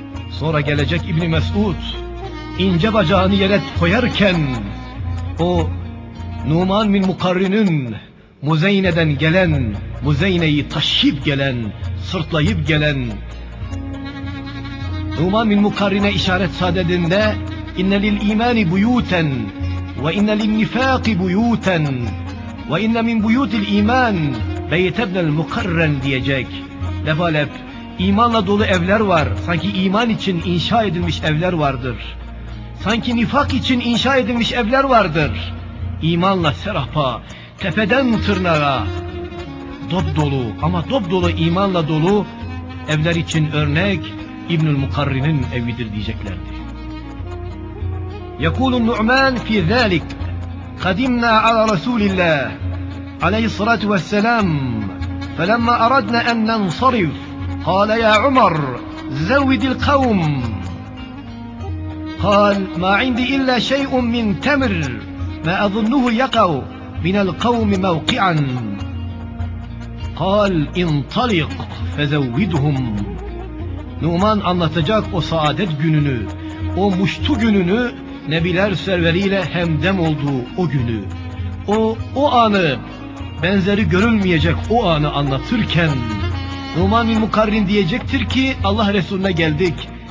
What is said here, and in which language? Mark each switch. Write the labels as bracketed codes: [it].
[tr] Sonra gelecek İbn Mesud, ince bacağını yere koyarken o Numan bin Mukarrin'in Muzeyne'den gelen, Muzeyne'yi taşıyıp gelen, sırtlayıp gelen Numan bin Mukarrin'e işaret sadedinde [ar] innelil imani buyuten وإن للنفاق بيوتا وإن من بيوت الإيمان بيت ابن المقرن [tr] diyecek. Defalep imanla dolu evler var. Sanki iman için inşa edilmiş evler vardır. Sanki nifak için inşa edilmiş evler vardır. İmanla serapa, tepeden tırnağa, dopdolu ama dopdolu imanla dolu evler için örnek İbnül Mukarrin'in evidir diyeceklerdi. [ar] Yekulun Nu'man fi zalik kadimna ala Resulillah aleyhissalatu vesselam felemma aradna en nansarif قال يا عمر زود القوم قال ما عندي إلا شيء من تمر ما أظنه يقع من القوم موقعا قال انطلق فزودهم. [tr] Numan anlatacak o saadet gününü, o muştu gününü, nebiler serveriyle hemdem olduğu o günü, o anı, benzeri görülmeyecek o anı anlatırken Numan-ı Mukarrin diyecektir ki Allah Resulüne geldik.